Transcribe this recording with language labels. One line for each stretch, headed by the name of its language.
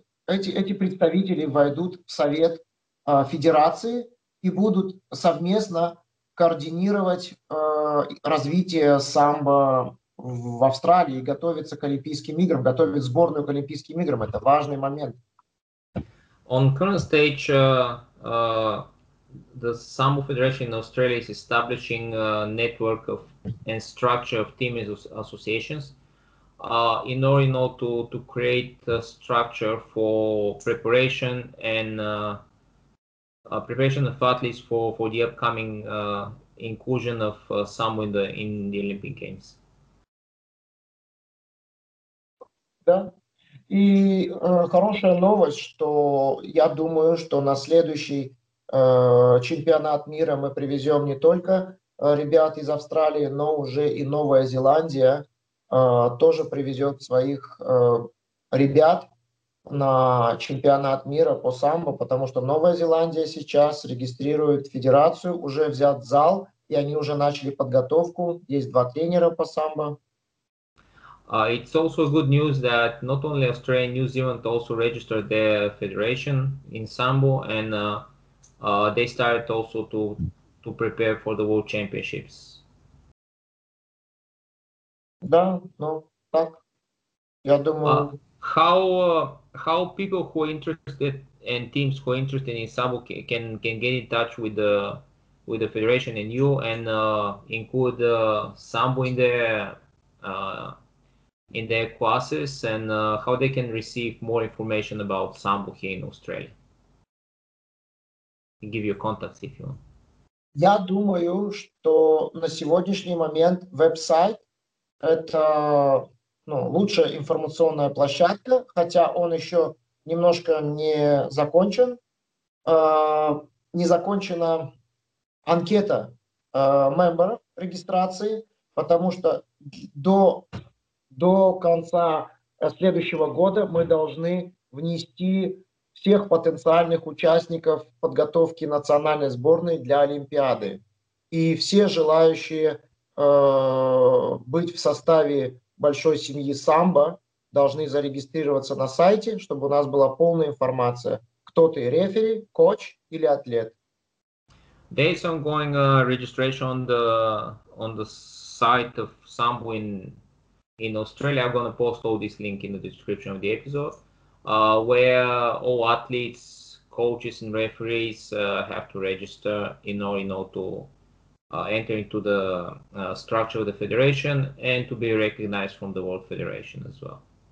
Russian: эти представители войдут в Совет Федерации и будут совместно координировать развитие самбо в Австралии, готовиться к Олимпийским играм, готовить сборную к Олимпийским играм. Это важный момент.
English: On current stage, the Sambo Federation in Australia is establishing a network of and structure of team associations in order to create a structure for preparation and preparation of athletes for the upcoming inclusion of Sambo in the Olympic Games.
Russian: Да. И хорошая новость, что я думаю, что на следующий чемпионат мира мы привезем не только ребят из Австралии, но уже и Новая Зеландия тоже привезет своих ребят на чемпионат мира по самбо, потому что Новая Зеландия сейчас регистрирует федерацию, уже взят зал, и они уже начали подготовку, есть два тренера по самбо.
English: It's also good news that not only Australia and New Zealand also registered their federation in Sambo, and they started also to prepare for the World Championships.
Russian: Да, ну так. Я думаю.
English: How people who are interested and teams who are interested in Sambo can get in touch with the federation and you and include Sambo in their in their classes and how they can receive more information about Sambo here in Australia. I'll give you contacts if you want.
Russian: Я думаю, что на сегодняшний момент веб-сайт это лучшая информационная площадка, хотя он еще немножко не закончен. Не закончена анкета мемберов регистрации, потому что до конца следующего года мы должны внести всех потенциальных участников подготовки национальной сборной для Олимпиады. И все желающие быть в составе большой семьи самбо должны зарегистрироваться на сайте, чтобы у нас была полная информация, кто ты, рефери, коуч или атлет.
English: There is ongoing registration on the site of Sambo in Australia. I'm going to post all this link in the description of the episode, where all athletes, coaches and referees have to register in order to enter into the structure of the federation and to be recognized from the World Federation as well.